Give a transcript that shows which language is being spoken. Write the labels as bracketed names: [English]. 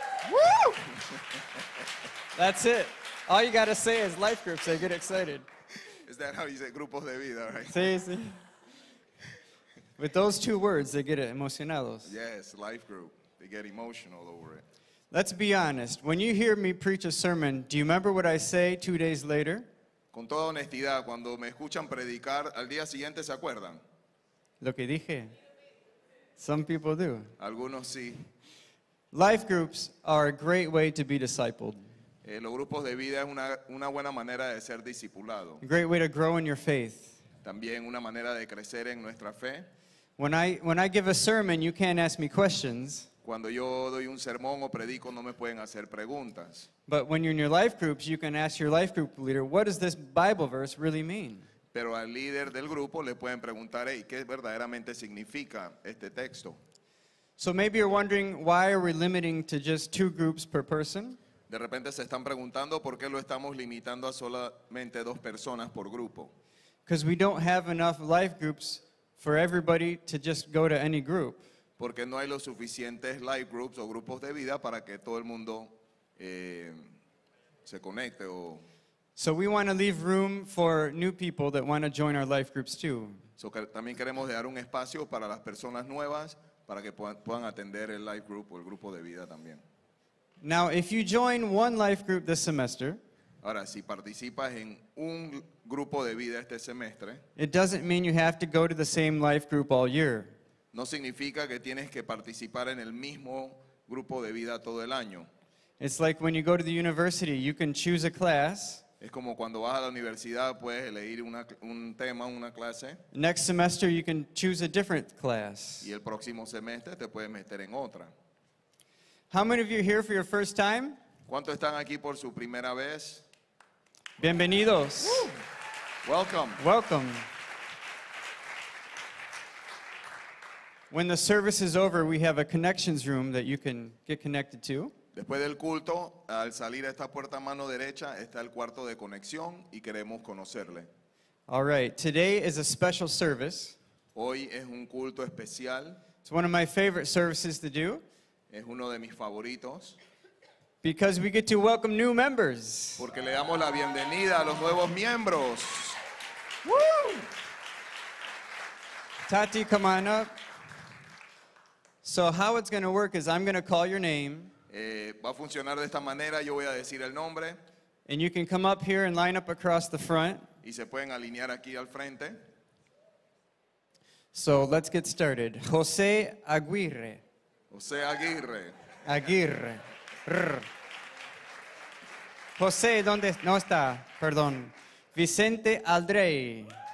[English] Woo! That's it. All you gotta say is life groups. They get excited. Is that how you say [Spanish] grupos de vida, [English] right? Sí. With those two words, they get emocionados. Yes, life group. They get emotional over it. Let's be honest. When you hear me preach a sermon, do you remember what I say 2 days later? [Spanish] Con toda honestidad, cuando me escuchan predicar, al día siguiente se acuerdan. Lo que dije. [English] Some people do. [Spanish] Algunos sí. [English] Life groups are a great way to be discipled. [Spanish] Los grupos de vida es una buena manera de ser discipulado. [English] A great way to grow in your faith. [Spanish] También una manera de crecer en nuestra fe. [English] When I give a sermon, you can't ask me questions. [Spanish] Cuando yo doy un sermón o predico, no me pueden hacer preguntas. [English] But when you're in your life groups, you can ask your life group leader, what does this Bible verse really mean? [Spanish] Pero al líder del grupo le pueden preguntar, hey, ¿qué verdaderamente significa este texto? [English] So maybe you're wondering, why are we limiting to just two groups per person? [Spanish] De repente se están preguntando por qué lo estamos limitando a solamente dos personas por grupo. [English] Because we don't have enough life groups for everybody to just go to any group. [Spanish] Porque no hay los suficientes life groups o grupos de vida para que todo el mundo se conecte o... [English] So we want to leave room for new people that want to join our life groups too. [Spanish] So también queremos dejar un espacio para las personas nuevas para que puedan atender el life group o el grupo de vida también. [English] Now, if you join one life group this semester, [Spanish] ahora, si participas en un grupo de vida este semestre, [English] it doesn't mean you have to go to the same life group all year. [Spanish] No significa que tienes que participar en el mismo grupo de vida todo el año. [English] It's like when you go to the university, you can choose a class. [Spanish] Es como cuando vas a la universidad, puedes elegir un tema, una clase. [English] Next semester, you can choose a different class. [Spanish] Y el próximo semestre te puedes meter en otra. [English] How many of you are here for your first time? [Spanish] ¿Cuántos están aquí por su primera vez? Bienvenidos. [English] Welcome. Welcome. When the service is over, we have a connections room that you can get connected to. [Spanish] Después del culto, al salir a esta puerta a mano derecha, está el cuarto de conexión y queremos conocerle. [English] All right, today is a special service. [Spanish] Hoy es un culto especial. [English] It's one of my favorite services to do. [Spanish] Es uno de mis favoritos. [English] Because we get to welcome new members. [Spanish] Porque le damos la bienvenida a los nuevos miembros. [English] Woo! Tati, come on up. So how it's going to work is I'm going to call your name. [Spanish] Va a funcionar de esta manera, yo voy a decir el nombre. [English] And you can come up here and line up across the front. [Spanish] Y se pueden alinear aquí al frente. [English] So let's get started. José Aguirre. José Aguirre. Aguirre. [Spanish] José, ¿dónde está? No está, perdón. Vicente Aldrey.